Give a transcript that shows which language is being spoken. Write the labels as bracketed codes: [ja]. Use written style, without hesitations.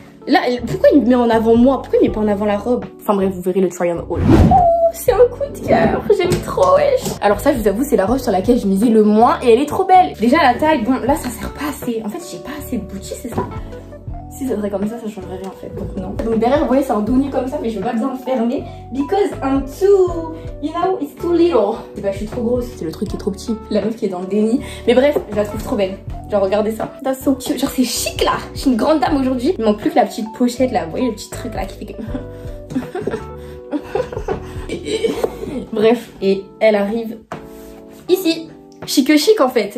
[fr] Là, pourquoi il met en avant moi? Pourquoi il met pas en avant la robe? Enfin bref, vous verrez le try on haul. C'est un coup de cœur, j'aime trop, wesh. Alors ça, je vous avoue, c'est la robe sur laquelle je misais le moins et elle est trop belle. Déjà, la taille, bon, là, ça sert pas assez. En fait, j'ai pas assez de bouti, c'est ça? Si ça serait comme ça, ça changerait rien en fait, donc non. Donc derrière, vous voyez, c'est un dos nu comme ça, mais je veux pas bien fermer. [en] Because I'm too, you know, it's too little. [fr] Et bah, je suis trop grosse. C'est le truc qui est trop petit. La meuf qui est dans le déni. Mais bref, je la trouve trop belle. Genre, regardez ça. [en] That's so cute. [fr] Genre, c'est chic là. Je suis une grande dame aujourd'hui. Il manque plus que la petite pochette là. Vous voyez le petit truc là qui fait que... Bref, et elle arrive ici. Chic que chic en fait.